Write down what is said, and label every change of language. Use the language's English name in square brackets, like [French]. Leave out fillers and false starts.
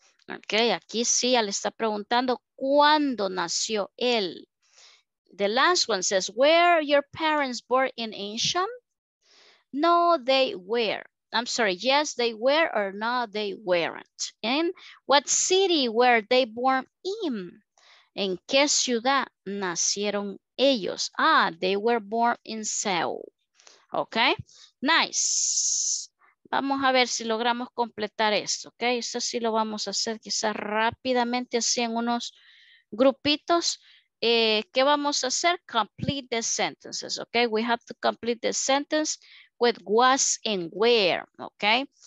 [Spanish] Ok, aquí sí ya le está preguntando cuándo nació él. [English] The last one says, were your parents born in Incheon? No, they were. I'm sorry, yes, they were, or no, they weren't. And what city were they born in? [Spanish] ¿En qué ciudad nacieron ellos? Ah, [English] they were born in Seoul. Ok, nice. [Spanish] Vamos a ver si logramos completar esto, ¿ok? Eso sí lo vamos a hacer quizás rápidamente, así en unos grupitos. ¿Qué vamos a hacer? [English] Complete the sentences, [Spanish] ¿ok? [English] We have to complete the sentence with was and where, ¿ok?